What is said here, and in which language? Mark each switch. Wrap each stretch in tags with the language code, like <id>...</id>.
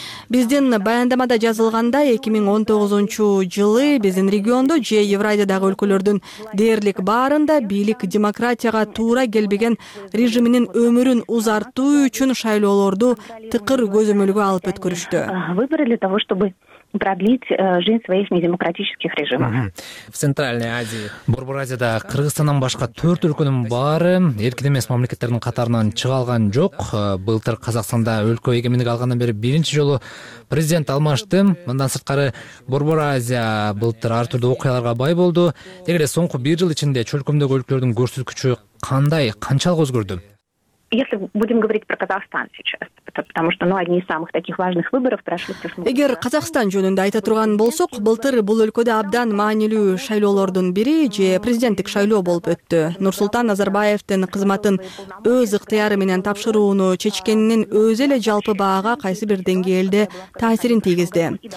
<ky>Биздин баяндамада жазылгандай, 2019 жылы биздин региондо же Евразиядагы өлкөлөрдүн дээрлик баарында бийлик демократияга туура келбеген режиминин өмүрүн узартуу үчүн шайлоолорду тыкыр көзөмөлгө алып өткөрүштү.</ky> <ru>Выборы для того, чтобы продлить жизнь своих недемократических режимов. В Центральной Азии,</ru> <ky>Борбор Азияда Кыргызстандан башка 4 өлкөнүн баары эркин эмес мамлекеттердин катарынан чыга алган жок. Былтыр Казакстанда өлкө эгемендик алгандан бери биринчи жолу президент алмашты. Мындан сырткары Борбор Азия былтыр ар түрдүү окуяларга бай болду. Дегенде соңку 1 жыл ичинде чөлкөмдөгү өлкөлөрдүн көрсөткүчү кандай, канчалык өзгөрдү?</ky> <ru>Если будем говорить про Казахстан сейчас, потому что, ну, одни из самых таких важных выборов прошли.</ru> <ky>Эгер Казахстан жөнүндө айта турган болсок, былтыр бул өлкөдө абдан маанилүү шайлоолордун бири же президенттик шайлоо болуп өттү. Нурсултан Назарбаевдин кызматын өз ыктыяры менен тапшырууну чечкенинин өзү эле жалпы баага кайсы бир деңгээлде таасирин тийгизди.</ky>